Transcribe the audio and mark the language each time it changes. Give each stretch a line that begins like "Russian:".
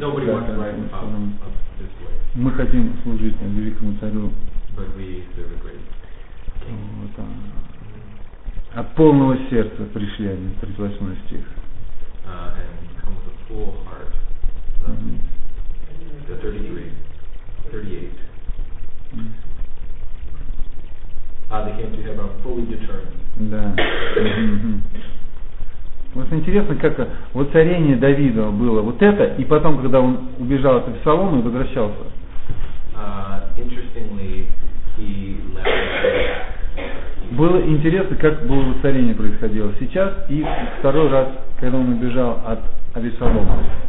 English: Nobody wants to write in this way.
Russian: Мы хотим служить великому царю.
English: But we serve a great king.
Russian: Вот, а. От полного сердца пришли они, 38 стих.
English: And come with a full heart. The 33, 38. They came to Hebron fully determined.
Russian: Да. Вот интересно, как воцарение Давида было вот это, и потом, когда он убежал от Авессалома и возвращался.
English: Interestingly, he left.
Russian: Было интересно, как было воцарение происходило сейчас и второй раз, когда он убежал от Авессалома.